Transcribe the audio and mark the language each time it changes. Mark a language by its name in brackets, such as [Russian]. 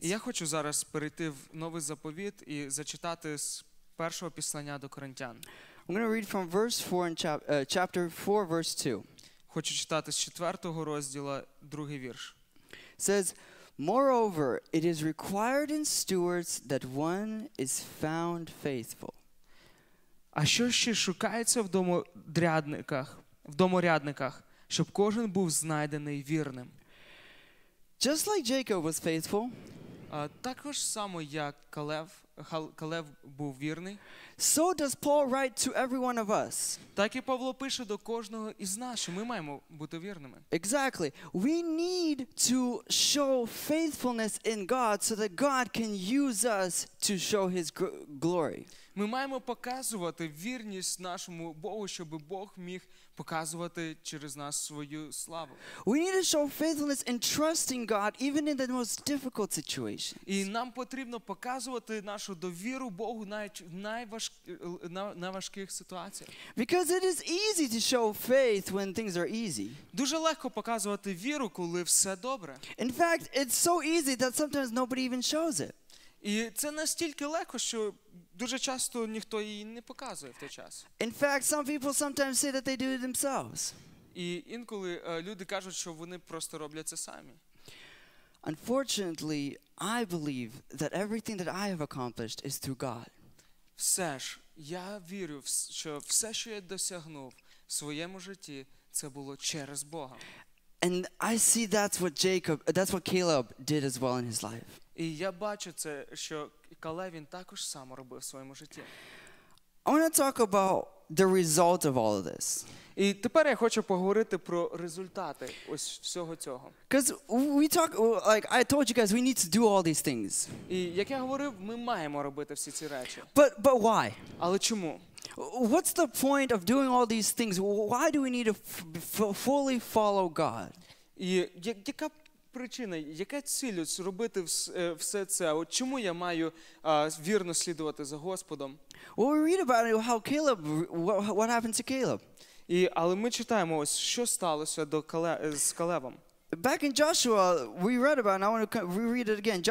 [Ukrainian] Я хочу зараз перейти в Новий Заповіт і зачитати з першого послання до Коринтян. [English] I'm going to read from verse 4 in chapter 4 verse 2. [Ukrainian] Хочу читати з 4-го розділу, 2-й вірш. [English] It says, "Moreover, it is required in stewards that one is found faithful." [Ukrainian] А що ще шукається в домодрядниках? В доморядниках, щоб кожен був знайдений вірним. [English] Just like Jacob was faithful, [Ukrainian] також само як Калев був вірний. [English] So does Paul write to every one of us. [Ukrainian] Так і Павло пише до кожного із нас, що ми маємо бути вірними. [English] Exactly. We need to show faithfulness in God so that God can use us to show his glory. [Ukrainian] Ми маємо показувати вірність нашому Богу, щоб Бог міг показувати через нас свою славу. [English] We need to show faithfulness in trusting God even in the most difficult situations. [Ukrainian] І нам потрібно показувати нашу довіру Богу навіть в найважких ситуаціях. [English] Because it is easy to show faith when things are easy. [Ukrainian] Дуже легко показувати віру, коли все добре. [English] In fact, it's so easy that sometimes nobody even shows it. [Ukrainian] І це настільки легко, що дуже часто ніхто її не показує в той час. [English] In fact, some people sometimes say that they do it themselves. [Ukrainian] І інколи люди кажуть, що вони просто роблять це самі. [English] Unfortunately, I believe that everything that I have accomplished is through God. [Ukrainian] Все ж, я вірю, що все, що я досягнув в своєму житті, це було через Бога. [English] And I see that's what Caleb did as well in his life. [Ukrainian] І я бачу це, що Калев він також само робив в своєму житті. [English] I want to talk about the result of all of this. [Ukrainian] І тепер я хочу поговорити про результати ось всього цього. [English] Because we talk, like I told you guys, we need to do all these things. [Ukrainian] І як я говорив, ми маємо робити всі ці речі. [English] But why? [Ukrainian] Але чому? [English] What's the point of doing all these things? Why do we need to fully follow God? [Ukrainian] І яка причина, яка ціль зробити все це? От чому я маю вірно слідувати за Господом? [English] Well, we read about it, how Caleb, what happened to Caleb. [Ukrainian] І, але ми читаємо ось, що сталося до з Калевом. [English] Back in Joshua, we read about it, and I want to reread it again.